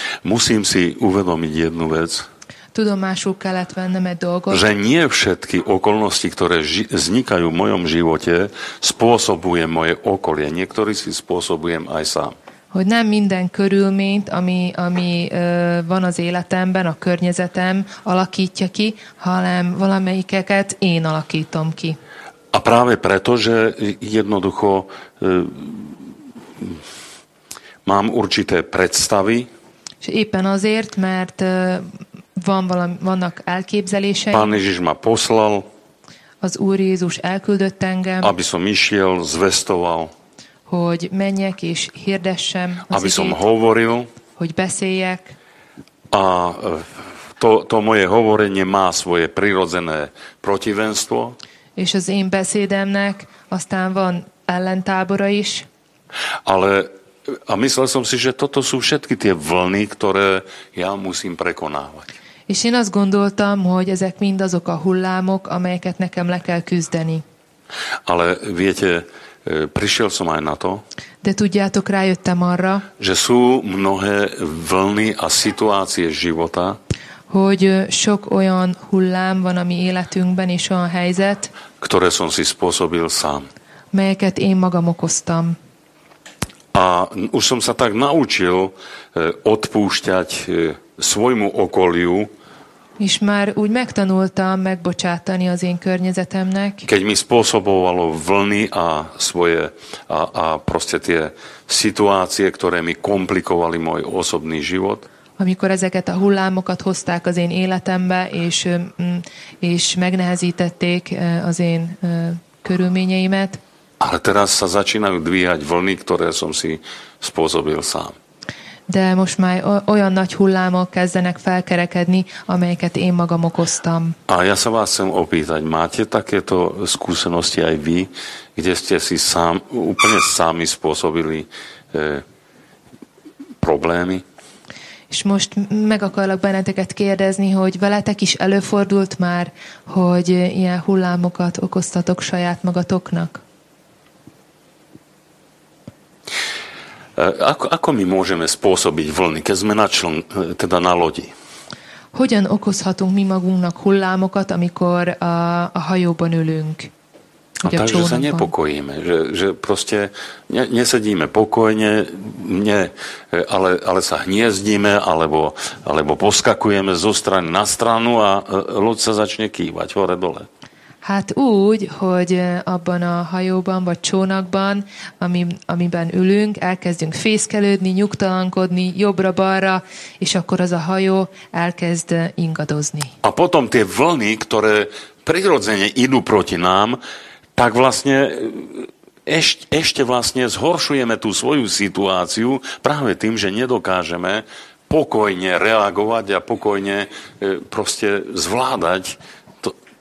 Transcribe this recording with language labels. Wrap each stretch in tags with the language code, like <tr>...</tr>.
<sk>musím si uvedomiť jednu vec,</sk> <hu>tudomásul kellett vennem egy dolgot.</hu> <sk>Že nie všetky okolnosti, ktoré vznikajú v mojom živote, spôsobujem moje okolie. Niektorý si spôsobujem aj sám.</sk> <hu>Hogy nem minden körülményt, ami van az életemben, a környezetem alakítja ki, hanem valamelyikeket én alakítom ki.</hu> <sk>A práve preto, že jednoducho mám určité predstavy.</sk> <hu>És éppen azért, mert vannak elképzelései.</hu> <sk>Pán Ježiš ma poslal.</sk> <hu>Az Úr Jézus elküldött engem.</hu> <sk>Aby som išiel, zvestoval.</sk> <hu>Hogy menjek és hirdessem az igét.</hu> <sk>Aby som hovoril.</sk> <hu>Hogy beszéljek.</hu> <sk>A to moje hovorenie má svoje prirodzené protivenstvo.</sk> <hu>És az én beszédemnek aztán van ellentábora is.</hu> <sk>Ale a myslel som si, že toto sú všetky tie vlny, ktoré ja musím prekonávať.</sk> <hu>És én azt gondoltam, hogy ezek mind azok a hullámok, amelyeket nekem le kell küzdeni.</hu> <sk>Ale viete, prišiel som aj na to.</sk> <hu>De tudjátok, rájöttem arra,</hu> <sk>že sú mnohé vlny a situácie života,</sk> <hu>hogy sok olyan hullám van a mi életünkben és olyan helyzet,</hu> <sk>ktoré som si spôsobil sám.</sk> <hu>Melyeket én magam okoztam.</hu> <sk>A už som sa tak naučil odpúšťať svojmu okoliu.</sk> <hu>És már úgy megtanultam megbocsátani az én környezetemnek.</hu> <sk>Keď mi spôsobovalo vlny a svoje a proste tie situácie, ktoré mi komplikovali môj osobný život.</sk> <hu>Amikor ezeket a hullámokat hozták az én életembe, és megnehezítették az én körülményeimet.</hu> <sk>Ale teraz sa začínajú dvíhať vlny, ktoré som si spôsobil sám.</sk> <hu>De most már olyan nagy hullámok kezdenek felkerekedni, amelyeket én magam okoztam.</hu> <sk>A ja sa vás chcem opýtať, máte takéto skúsenosti aj vy, kde ste si sám, úplne sami spôsobili problémy?</sk> <hu>És most meg akarlak benneteket kérdezni, hogy veletek is előfordult már, hogy ilyen hullámokat okoztatok saját magatoknak?</hu> <sk>Ako mi môžeme spôsobiť vlny, keď sme na lodi?</sk> <hu>Hogyan okozhatunk mi magunknak hullámokat, amikor a hajóban ülünk?</hu> <sk>A takže sa nepokojíme, že proste nesedíme pokojne, ale sa hniezdíme, alebo poskakujeme zo strany na stranu a loď sa začne kývať hore-dole.</sk> <hu>Hát úgy, hogy abban a hajóban vagy csónakban, amiben ülünk, elkezdünk fészkelődni, nyugtalankodni, jobbra-balra, és akkor az a hajó elkezd ingadozni.</hu> <sk>A potom tie vlny, ktoré prirodzene idú proti nám, tak vlastne ešte vlastne zhoršujeme tú svoju situáciu práve tým, že nedokážeme pokojne reagovať a pokojne proste zvládať to.</sk>